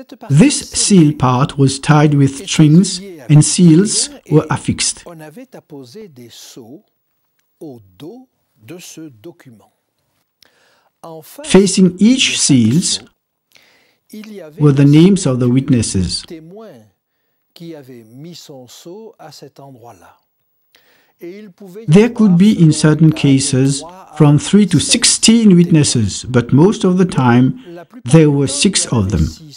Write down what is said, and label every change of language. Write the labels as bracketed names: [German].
[English] This seal part was tied with strings, and seals were affixed. [French] On avait apposé des sceaux au dos de ce document. [English] Facing each seal were the names of the witnesses. [French] Témoin qui avait mis son sceau à cet endroit-là. [English] There could be, in certain cases, from 3 to 16 witnesses, but most of the time, there were 6 of them.